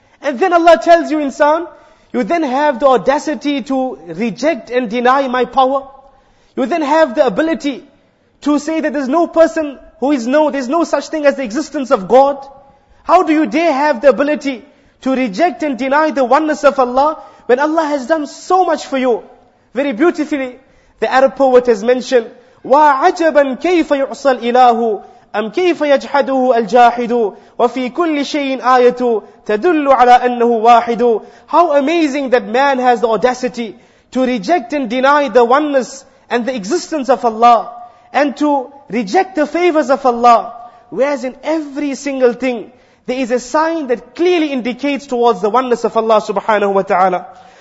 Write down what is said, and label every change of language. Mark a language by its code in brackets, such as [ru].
[en] And then Allah tells you, insan, you then have the audacity to reject and deny my power. You then have the ability to say that there's no person who is no, there's no such thing as the existence of God. How do you dare have the ability to reject and deny the oneness of Allah when Allah has done so much for you? Very beautifully, the Arab poet has mentioned, [ar] وَعَجَبًا كَيْفَ يُعْصَى الْإِلَهُ أَمْ كَيْفَ يَجْحَدُهُ الْجَاحِدُ وَفِي كُلِّ شَيْءٍ آيَةُ تَدُلُّ عَلَىٰ أَنَّهُ وَاحِدُ. [en] How amazing that man has the audacity to reject and deny the oneness and the existence of Allah and to reject the favors of Allah. Whereas in every single thing, there is a sign that clearly indicates towards the oneness of Allah subhanahu wa ta'ala.